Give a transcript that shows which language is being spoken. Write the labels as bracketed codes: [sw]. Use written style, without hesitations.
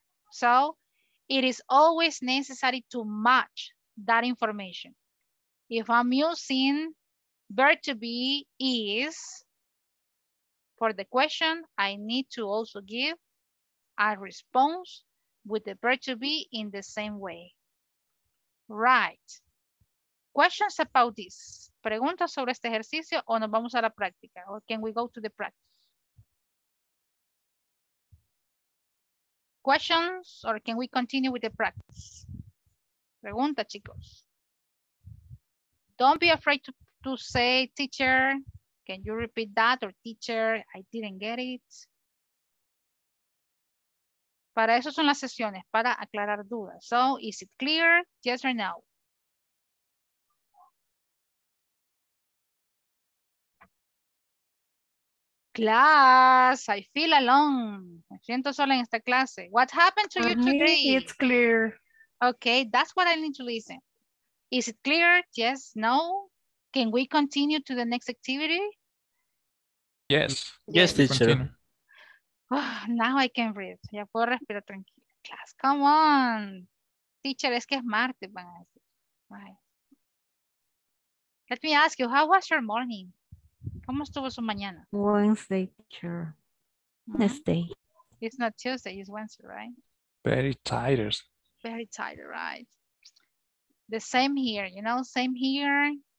[en] So, it is always necessary to match that information. If I'm using verb to be is for the question, I need to also give a response with the verb to be in the same way. Right. Questions about this? [es] ¿Preguntas sobre este ejercicio o nos vamos a la práctica? [en] Or can we go to the practice? Questions, or can we continue with the practice? [es] Pregunta, chicos. [en] Don't be afraid to say, teacher, can you repeat that? Or teacher, I didn't get it. [es] Para eso son las sesiones, para aclarar dudas. [en] So, is it clear? Yes or no? Class, I feel alone. [es] Me siento sola en esta clase. [en] What happened to you today? It's clear. Okay, that's what I need to listen. Is it clear? Yes, no? Can we continue to the next activity? Yes. Yes, teacher. Oh, now I can breathe. [es] Ya puedo respirar tranquila. [en] Class, come on. [es] Teacher, es que es martes, van a decir. [en] Let me ask you, how was your morning? [es] ¿Cómo estuvo su mañana? [en] Wednesday, teacher. Wednesday. It's not Tuesday, it's Wednesday, right? Very tired. Very tired, right? The same here, you know, same here.